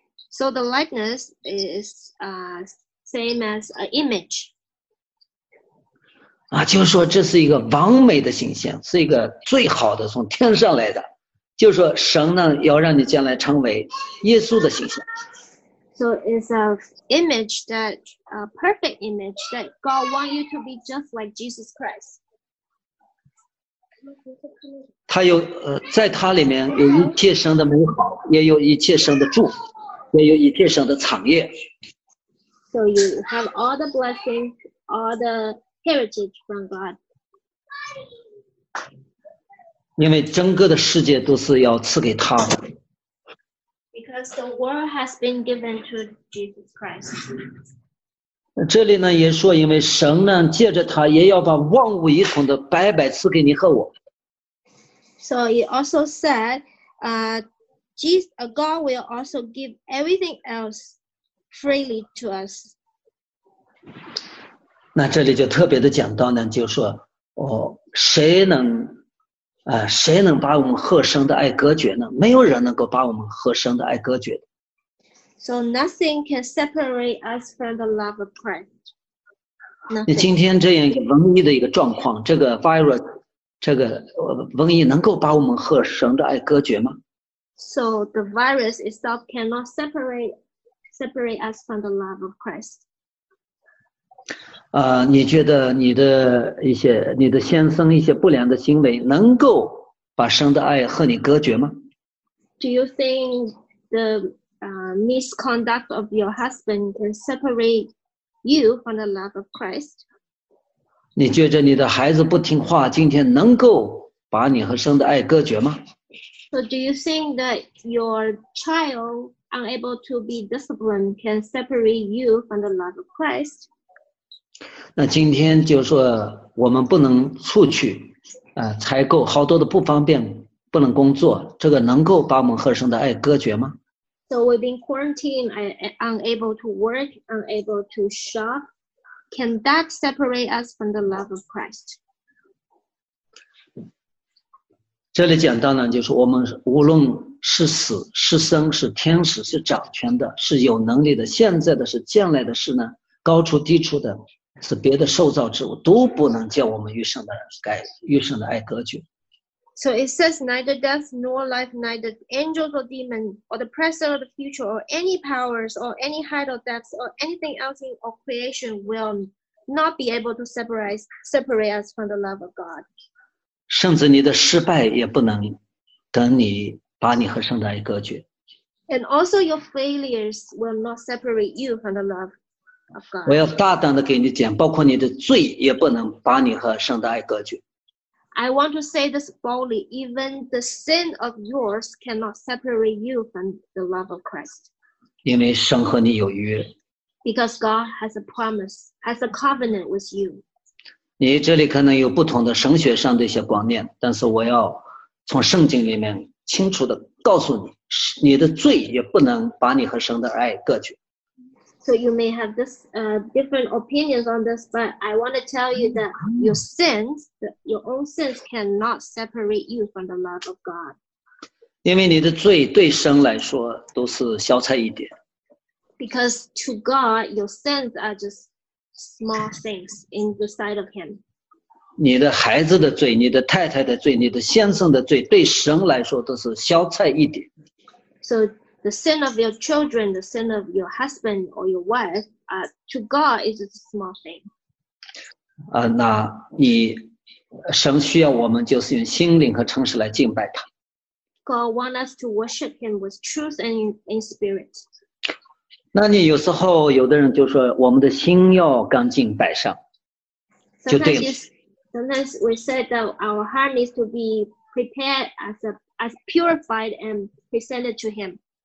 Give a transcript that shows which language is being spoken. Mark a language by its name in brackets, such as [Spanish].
[English] So the likeness is same as an image. [Chinese] 啊，就是说这是一个完美的形象，是一个最好的从天上来的。就是说神呢要让你将来成为耶稣的形象。 [English] So it's an image that, a perfect image that God wants you to be just like Jesus Christ. [Chinese] 他有在他里面有一切神的美好，也有一切神的祝福，也有一切神的产业。 [English] So you have all the blessings, all the heritage from God. [Chinese] 因为整个的世界都是要赐给他的。 [English] Because the world has been given to Jesus Christ. [Chinese] 这里呢也说，因为神呢借着他也要把万物一统的白白赐给你和我。 [English] So it also said, God will also give everything else freely to us. [Chinese] 那这里就特别的讲到呢，就说哦，谁能？谁能把我们和神的爱隔绝呢？没有人能够把我们和神的爱隔绝的。 [English] So nothing can separate us from the love of Christ. [Chinese] 你今天这样一个瘟疫的一个状况，这个 virus， 这个瘟疫能够把我们和神的爱隔绝吗 [English] ？So the virus itself cannot separate us from the love of Christ. [Chinese] 你觉得你的先生一些不良的行为能够把神的爱和你隔绝吗 [English] ？Do you think the misconduct of your husband can separate you from the love of Christ？ [Chinese] 你觉得你的孩子不听话，今天能够把你和神的爱隔绝吗 [English] ？So do you think that your child unable to be disciplined can separate you from the love of Christ？ [Chinese] 那今天就说我们不能出去采购好多的不方便不能工作，这个能够把我们和神的爱隔绝吗 [English] ？So we've been quarantined, unable to work, unable to shop. Can that separate us from the love of Christ？ [Chinese] 这里讲到呢，就是我们无论是死是生，是天使是掌权的，是有能力的，现在的是将来的事呢，高处低处的。是别的受造之物都不能叫我们与神的爱隔绝。 [English] So it says neither death nor life, neither angels or demons, or the present or the future, or any powers, or any height or depth, or anything else in all creation will not be able to separate us from the love of God. [Chinese] 甚至你的失败也不能等你把你和神的爱隔绝。 [English] And also your failures will not separate you from the love. [Chinese] 我要大胆的给你讲，包括你的罪也不能把你和神的爱隔绝。 [English] I want to say this boldly, even the sin of yours cannot separate you from the love of Christ. [Chinese] 因为神和你有约。 [English] Because God has a promise, has a covenant with you. [Chinese] 你这里可能有不同的神学上的一些观念，但是我要从圣经里面清楚的告诉你，你的罪也不能把你和神的爱隔绝。 [English] So you may have this different opinions on this, but I want to tell you that your sins, your own sins, cannot separate you from the love of God. [Chinese] 因为你的罪对神来说都是小菜一碟。 [English] Because to God, your sins are just small things in the sight of Him. [Chinese] 你的孩子的罪、你的太太的罪、你的先生的罪，对神来说都是小菜一碟。 [English] So. The sin of your children, the sin of your husband or your wife, to God is a small thing. [Chinese] 那你神需要我们就是用心灵和诚实来敬拜他。 [English] God wants us to worship Him with truth and in spirit. [Chinese] 那你有时候有的人就说我们的心要干净摆上，就对了。 [English] Sometimes we say that our heart needs to be prepared as purified and presented to Him.